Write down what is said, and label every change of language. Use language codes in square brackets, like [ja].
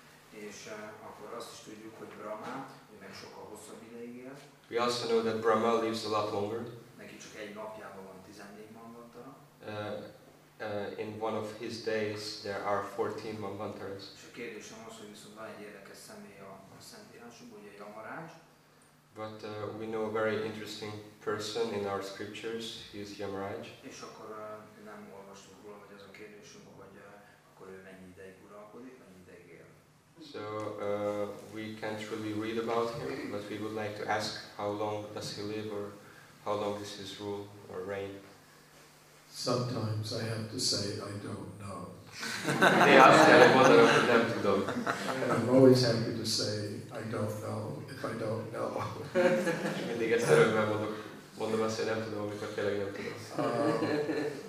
[hu] És akkor azt is tudjuk, hogy Brahma, meg sokkal hosszabb ideig él. [en] We also know that Brahma lives a lot longer. [hu] Neki csak egy napjában van 14 manvantara. [en] In one of his days there are 14 manvantaras. [hu] És a kérdésem az, hogy viszont van egy érdekes személy a Szentírásunkban, ugye Yamaraj. [en] But we know a very interesting person in our scriptures. He is Yamaraj. [hu] És akkor nem olvastuk róla, hogy ez a kérdésünk, hogy akkor ő mennyi ideig uralkodik, mennyi ideig él. [en] So we can't really read about him, but we would like to ask how long does he live or how long is his rule or reign. Sometimes I have to say I don't know. They ask that I wonder for them to know. And I'm always happy to say I don't know if I don't know. [hu] Mindig ezt örömmel mondom azt, hogy nem tudom, amikor tényleg nem tudom.